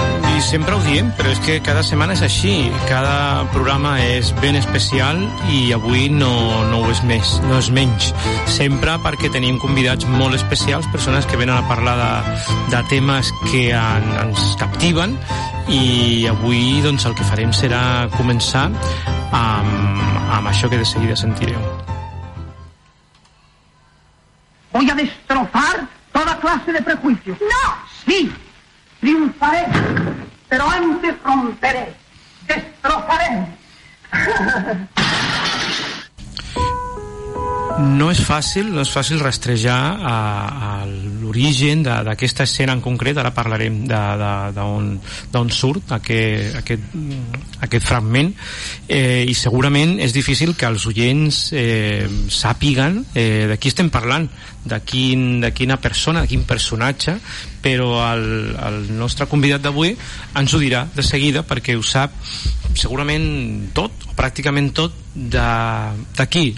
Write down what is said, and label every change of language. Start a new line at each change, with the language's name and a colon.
Catalan: I sempre ho diem, però és que cada setmana és així. Cada programa és ben especial i avui no ho és més, no és menys. Sempre perquè tenim convidats molt especials, persones que venen a parlar de temes que ens captiven, i avui doncs el que farem serà començar amb això que de seguida sentireu.
Spanish: Voy a destrozar toda clase de prejuicios. No, sí, triunfaré, pero antes romperé, destrozaré.
Catalan: No és fàcil rastrejar a l'origen d'aquesta escena en concret. Ara parlarem d'on surt aquest fragment, i segurament és difícil que els oients sàpiguen de qui estem parlant, de quina persona, de quin personatge, però el nostre convidat d'avui ens ho dirà de seguida, perquè ho sap segurament tot, o pràcticament tot, d'aquí.